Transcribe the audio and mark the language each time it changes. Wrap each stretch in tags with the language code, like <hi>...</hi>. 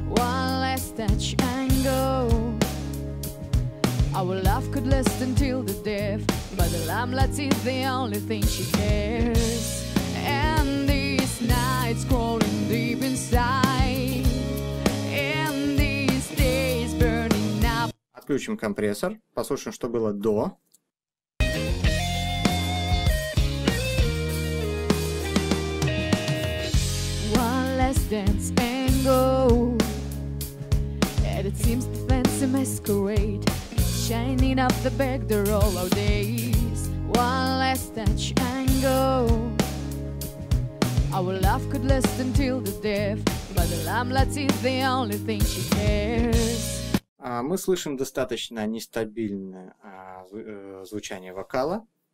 <en>One last touch and go. Our love could last until the death, but the lamplight is the only thing she cares. And this night's crawling deep inside. And these days burning up.</en> <ru>Отключим компрессор, послушаем, что было до.</ru> <en>Dance and go. And it seems the fancy masquerade shining up the back door all our days. One last touch and go. Our love could last until the death, but the lamplight is the only thing she cares.</en> <ru>Мы слышим достаточно нестабильное звучание вокала.</ru>